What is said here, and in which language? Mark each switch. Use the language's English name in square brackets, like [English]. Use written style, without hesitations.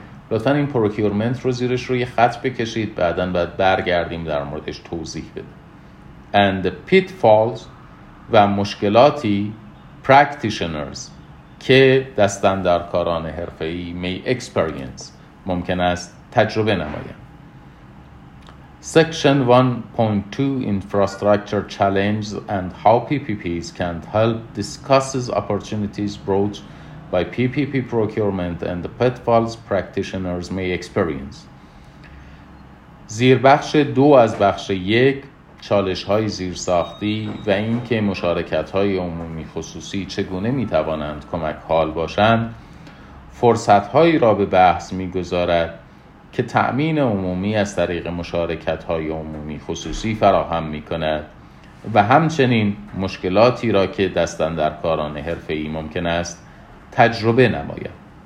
[Persian] لطفاً این پروکیورمنت رو زیرش روی خط بکشید، بعداً بعد برگردیم در موردش توضیح بدیم. [English] And the pitfalls [Persian] و مشکلاتی [English] practitioners [Persian] که دستاندرکاران حرفه‌ای [English] may experience [Persian] ممکن است تجربه نمایند. [English] Section 1.2 Infrastructure Challenges and how PPPs can help discusses opportunities brought by PPP procurement and the pitfalls practitioners may experience. [Persian] زیر بخش دو از بخش یک، چالش های زیرساختی و اینکه مشارکت های عمومی خصوصی چگونه می توانند کمک حال باشند، فرصت هایی را به بحث می گذارد که تأمین عمومی از طریق مشارکت های عمومی خصوصی فراهم می کند و همچنین مشکلاتی را که دست اندرکاران حرفه ای ممکن است تجربه نماید.